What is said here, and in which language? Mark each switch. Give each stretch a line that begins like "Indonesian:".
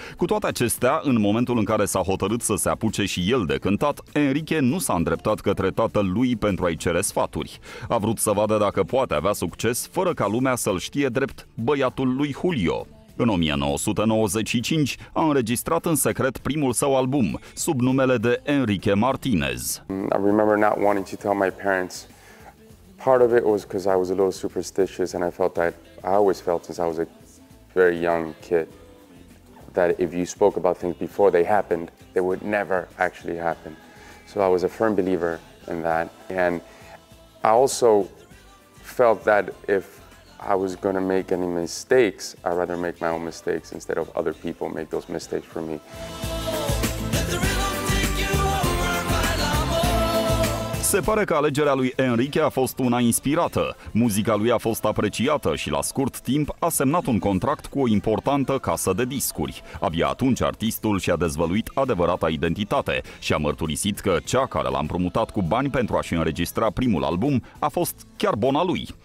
Romanian: Cu toate acestea, în momentul în care s-a hotărât să se apuce și el de cântat, Enrique nu s-a îndreptat către tatăl lui pentru a-i cere sfaturi. A vrut să vadă dacă poate avea succes fără ca lumea să-l știe drept băiatul lui Julio. În 1995 a înregistrat în secret primul său album sub numele de Enrique Martinez.
English: I remember not wanting to tell my parents. Part of it was because I was a little superstitious, and I always felt since I was a very young kid that if you spoke about things before they happened, they would never actually happen. So I was a firm believer in that. And I also felt that if I was going to make any mistakes, I'd rather make my own mistakes instead of other people make those mistakes for me.
Romanian: Se pare că alegerea lui Enrique a fost una inspirată. Muzica lui a fost apreciată și la scurt timp a semnat un contract cu o importantă casă de discuri. Abia atunci artistul și-a dezvăluit adevărata identitate și a mărturisit că cea care l-a împrumutat cu bani pentru a-și înregistra primul album a fost chiar bona lui.